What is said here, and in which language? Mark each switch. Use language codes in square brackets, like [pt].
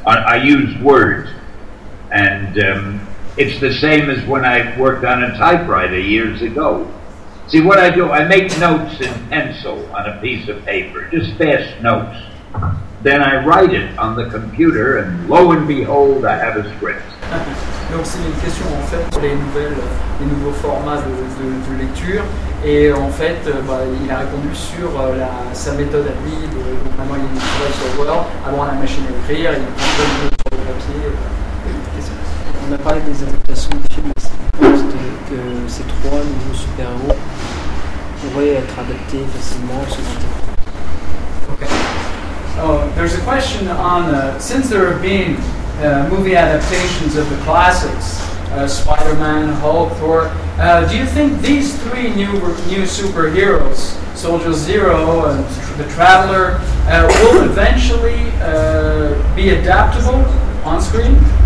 [en] I use words. And it's the same as when I worked on a typewriter years ago. See, what I do, I make notes in pencil on a piece of paper, just fast notes. Then I write it on the computer, and lo and behold, I have a script. [fr] Donc c'est une question en fait sur les nouveaux formats de lecture, et en fait il a répondu sur sa méthode à lui. Normalement il travaille sur Word, avoir la machine à écrire, il prend plein de notes sur le papier. On a parlé des adaptations de films, que ces trois nouveaux super-héros pourraient être adaptés facilement sur le [en] okay. Oh, there's a question on, since there have been movie adaptations of the classics, Spider-Man, Hulk, Thor, do you think these three new superheroes, Soldier Zero and the Traveler, will eventually be adaptable on screen?